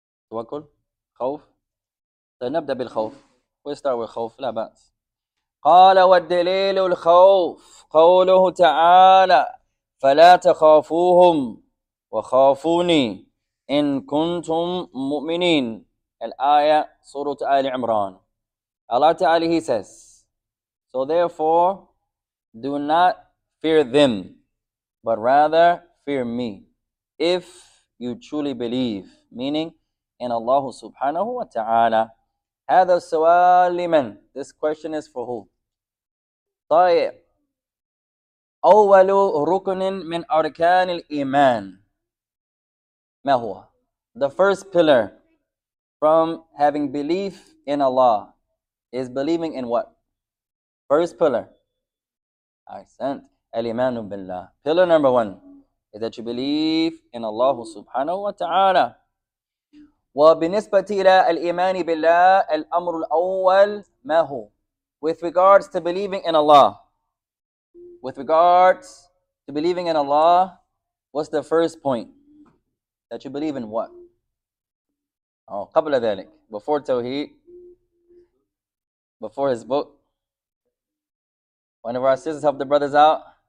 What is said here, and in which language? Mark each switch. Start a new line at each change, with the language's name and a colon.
Arabic: توكل؟ خوف؟ سنبدأ بالخوف.
English: We start with
Arabic: خوف. لا بأس. قال والدليل الخوف قوله تعالى فلا تخافوهم وخافوني إن كنتم مؤمنين. الآية سورة آل عمران.
English: Allah Ta'ala, he says, so therefore, do not fear them, but rather fear me, if you truly believe, meaning in Allah Subhanahu wa Ta'ala.
Arabic: هذا السؤال لمن?
English: This question is for who? طيب.
Arabic: أول ركن من أركان الإيمان. ما هو?
English: The first pillar from having belief in Allah. Is believing in what? First pillar. I sent.
Arabic: الإيمان بالله.
English: Pillar number one. Is that you believe in Allah subhanahu wa ta'ala.
Arabic: وبالنسبة إلى الإيمان بالله الأمر الأول ما هو?
English: With regards to believing in Allah. With regards to believing in Allah, what's the first point? That you believe in what? Oh,
Arabic: قبل ذلك.
English: Before Tawheed. Before his book, one of our sisters helped the brothers out.